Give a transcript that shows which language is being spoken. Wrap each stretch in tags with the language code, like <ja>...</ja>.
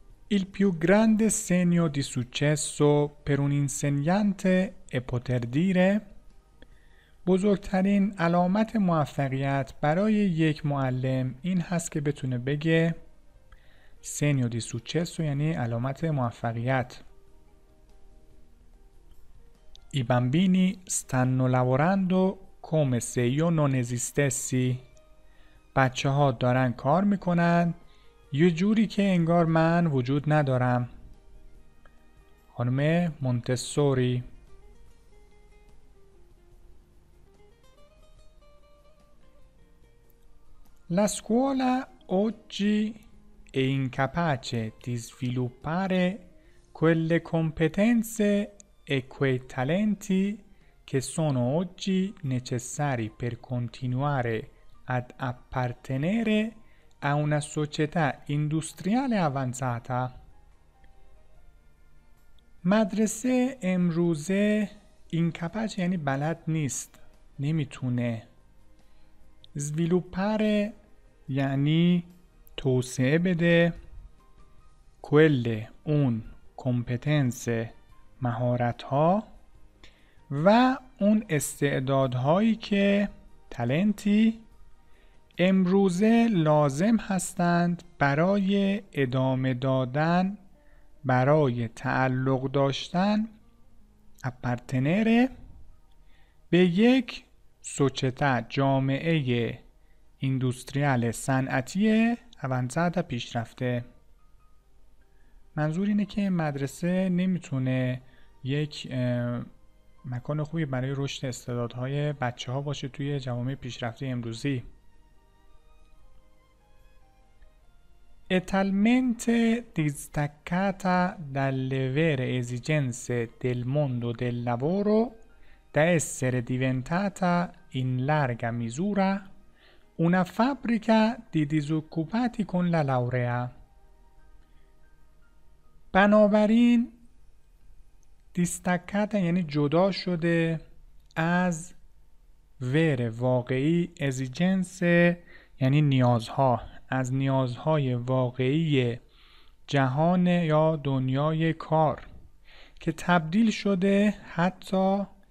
<it>Il più grande segno di successo per un insegnante è poter dire</it> <fa>بزرگترین علامت موفقیت برای یک معلم این هست که بتونه بگه.</fa> <it>Segno di successo</it> <fa>یعنی علامت موفقیت.</fa> <it>I bambini stanno lavorando come se io non esistessi.</it> <fa>بچه ها دارن کار میکنن یه جوری که انگار من وجود ندارم. خانم مونتسوری.</fa> <it>La scuola oggi è incapace di sviluppare quelle competenze e quei talenti che sono oggi necessari per continuare ad appartenere a una società industriale avanzata.</it> <fa>مدرسه امروزه incapace یعنی بلد نیست، نمیتونه. sviluppare یعنی توسعه بده. quelle اون competenze مهارت ها و اون استعدادهایی که talenti امروزه لازم هستند برای ادامه دادن، برای تعلق داشتن اپارتنره به یک سوچته جامعه اندوستریال صنعتی اوانزادا پیشرفته. منظور اینه که مدرسه نمیتونه یک مکان خوبی برای رشد استعدادهای بچه ها باشه توی جامعه پیشرفته امروزی.</fa> <it>È talmente distaccata dalle vere esigenze del mondo del lavoro da essere diventata in larga misura una fabbrica di disoccupati con la laurea.</it> <fa>بنابراین دیستکاته یعنی جدا شده از ویر واقعی ازیجنس یعنی نیازها از نیازهای واقعی جهان یا دنیای کار که تبدیل شده حتی</fa>